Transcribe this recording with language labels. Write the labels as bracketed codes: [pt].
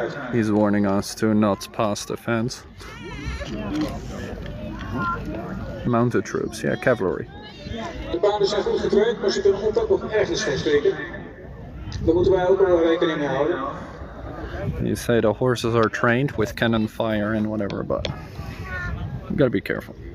[en] He's warning us to not pass the fence. Mounted troops, yeah, cavalry. [nl] De paarden zijn goed getraind, maar ze kunnen ook nog ergens van steken. Daar moeten wij ook wel rekening mee houden. [en] You say the horses are trained with cannon fire and whatever, but you gotta be careful.